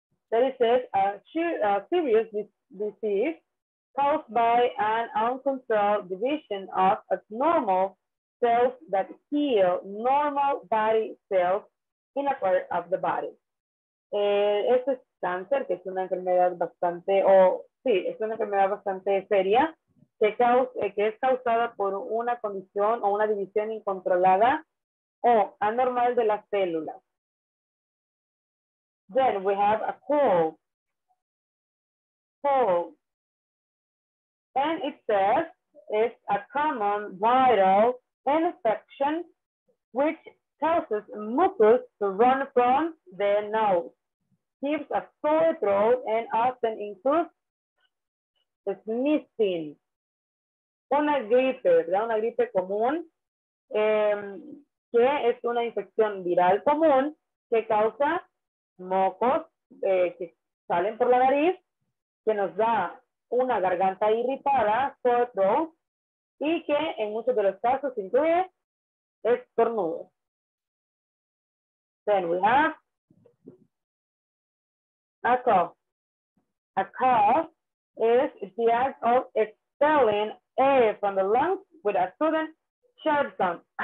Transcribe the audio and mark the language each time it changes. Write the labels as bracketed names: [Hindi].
[English] That it says a serious disease caused by an uncontrolled division of abnormal cells that heal normal body cells in a part of the body. [Spanish] Esto es cáncer, que es una enfermedad bastante, es una enfermedad bastante seria, que es causada por una condición o una división incontrolada o anormal de las células. [English] Then we have a cold. Cold. And it says it's a common viral infection which causes mucus to run from the nose, gives a sore throat, and often includes sneezing. [Spanish] Una gripe, ¿verdad? Una gripe común, que es una infección viral común que causa mocos que salen por la nariz, que nos da una garganta irritada, [English] sore throat, [Spanish] y que en muchos de los casos incluye estornudo. [English] Then we have a cough. A cough is the act of expelling air from the lungs with a sudden sharp sound.